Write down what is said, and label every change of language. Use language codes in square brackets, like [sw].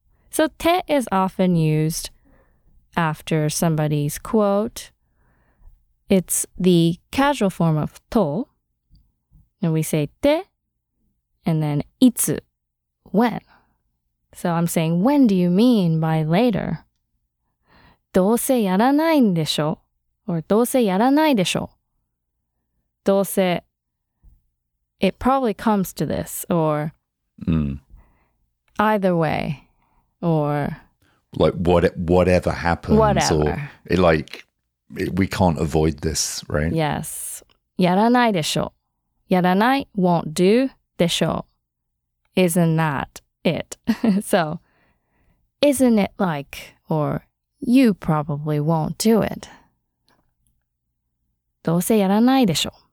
[en] So te is often used after somebody's quote. It's the casual form of to. And we say te, and then itsu, when. So I'm saying, when do you mean by later? [ja] どうせやらないんでしょ? Or どうせやらないでしょ? [en] どうせ It probably comes to this. Or either way. Or like whatever happens. Whatever. Or we can't avoid this, right? [ja] Yes. やらないでしょ。やらない [en] won't do でしょ。 Isn't that it? So isn't it like or... You probably won't do it. [ja] どうせやらないでしょ。